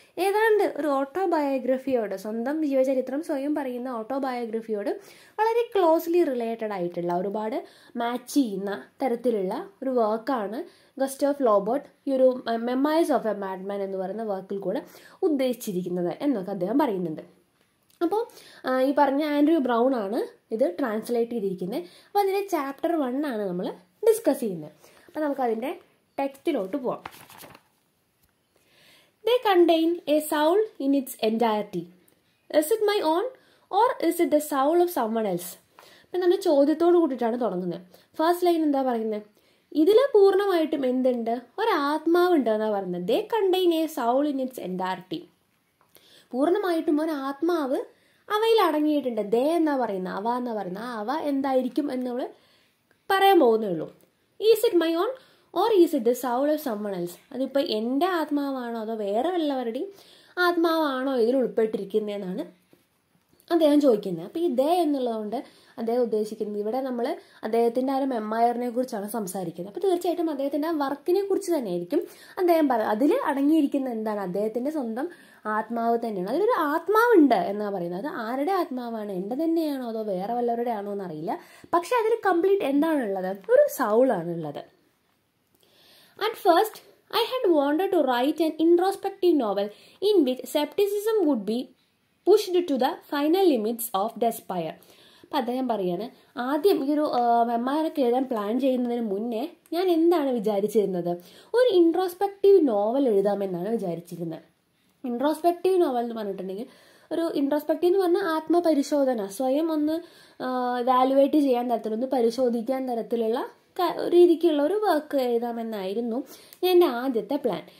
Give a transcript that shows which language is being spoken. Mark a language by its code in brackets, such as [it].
[ml] ഏതാണ്ട് ഒരു ഓട്ടോബയോഗ്രഫിയോട്, സ്വന്തം ജീവചരിത്രം സ്വയം പറയുന്ന ഓട്ടോബയോഗ്രഫിയോട് വളരെ ക്ലോസ്ലി റിലേറ്റഡ് ആയിട്ടുള്ള, ഒരുപാട് മാച്ച് ചെയ്യുന്ന തരത്തിലുള്ള ഒരു വർക്കാണ് ഗസ്റ്റാവ് ഫ്ലോബർട്ട് ഈ ഒരു മെമ്മോയേഴ്സ് ഓഫ് എ മാഡ്മാൻ എന്ന് പറയുന്ന വർക്കിൽ കൂടെ ഉദ്ദേശിച്ചിരിക്കുന്നത് എന്നൊക്കെ അദ്ദേഹം പറയുന്നുണ്ട്. അപ്പോൾ ഈ പറഞ്ഞ ആൻഡ്രൂ ബ്രൗൺ ആണ് ഇത് ട്രാൻസ്ലേറ്റ് ചെയ്തിരിക്കുന്നത്. അപ്പോൾ അതിൻ്റെ ചാപ്റ്റർ 1 ആണ് നമ്മൾ ഡിസ്കസ് ചെയ്യുന്നത്. അപ്പോൾ നമുക്ക് അതിൻ്റെ ടെക്സ്റ്റിലോട്ട് പോവാം. [en] They contain a soul in its entirety. Is it my own or is it the soul of someone else? [ml] ഇപ്പം നമ്മൾ ചോദ്യത്തോട് കൂട്ടിയിട്ടാണ് തുടങ്ങുന്നത്. ഫസ്റ്റ് ലൈൻ എന്താ പറയുന്നത്, ഇതിൽ പൂർണ്ണമായിട്ടും എന്തുണ്ട്, ഒരാത്മാവുണ്ട് എന്നാണ് പറയുന്നത്. [en] they contain a soul in its entirety, [ml] പൂർണ്ണമായിട്ടും ഒരാത്മാവ് അവയിൽ അടങ്ങിയിട്ടുണ്ട്. ദേ എന്നാ പറയുന്ന അവ എന്നാ പറയുന്ന അവ എന്തായിരിക്കും എന്ന് നമ്മൾ പറയാൻ പോകുന്നുള്ളൂ. [en] is it my own or is it the soul of someone else, [ml] അതിപ്പോൾ എൻ്റെ ആത്മാവാണോ അതോ വേറെ വല്ലവരുടെയും ആത്മാവാണോ ഇതിൽ ഉൾപ്പെട്ടിരിക്കുന്നത് എന്നാണ് അദ്ദേഹം ചോദിക്കുന്നത്. അപ്പോൾ ഈ ദേ എന്നുള്ളതുകൊണ്ട് അദ്ദേഹം ഉദ്ദേശിക്കുന്നത് ഇവിടെ നമ്മൾ അദ്ദേഹത്തിൻ്റെ ആ ഒരു മെമ്മോയറിനെ കുറിച്ചാണ് സംസാരിക്കുന്നത്. അപ്പോൾ തീർച്ചയായിട്ടും അദ്ദേഹത്തിൻ്റെ ആ വർക്കിനെ കുറിച്ച് തന്നെയായിരിക്കും അദ്ദേഹം പറയുന്നത്. അതിൽ അടങ്ങിയിരിക്കുന്ന എന്താണ്, അദ്ദേഹത്തിൻ്റെ സ്വന്തം ആത്മാവ് തന്നെയാണ്. അതിലൊരു ആത്മാവുണ്ട് എന്നാണ് പറയുന്നത്. അത് ആരുടെ ആത്മാവാണ്, എൻ്റെ തന്നെയാണോ അതോ വേറെ വല്ലവരുടെ ആണോ എന്നറിയില്ല. പക്ഷേ അതിൽ കംപ്ലീറ്റ് എന്താണുള്ളത്, ഒരു സൗളാണുള്ളത്. [en] At first, I had wanted to write an introspective novel in which skepticism would be pushed to the final limits of despair. [ml] അപ്പം അദ്ദേഹം പറയാണ്, ആദ്യം ഈ ഒരു മെമ്മോയറൊക്കെ എഴുതാൻ പ്ലാൻ ചെയ്യുന്നതിന് മുന്നേ ഞാൻ എന്താണ് വിചാരിച്ചിരുന്നത്, ഒരു ഇൻട്രോസ്പെക്റ്റീവ് നോവൽ എഴുതാമെന്നാണ് വിചാരിച്ചിരുന്നത്. ഇൻട്രോസ്പെക്റ്റീവ് നോവൽ എന്ന് പറഞ്ഞിട്ടുണ്ടെങ്കിൽ ഒരു ഇൻട്രോസ്പെക്റ്റീവ് എന്ന് പറഞ്ഞാൽ ആത്മപരിശോധന, സ്വയം ഒന്ന് ഇവാലുവേറ്റ് ചെയ്യാൻ തരത്തിൽ, ഒന്ന് പരിശോധിക്കാൻ തരത്തിലുള്ള രീതിക്കുള്ള ഒരു വർക്ക് എഴുതാമെന്നായിരുന്നു എൻ്റെ ആദ്യത്തെ പ്ലാൻ.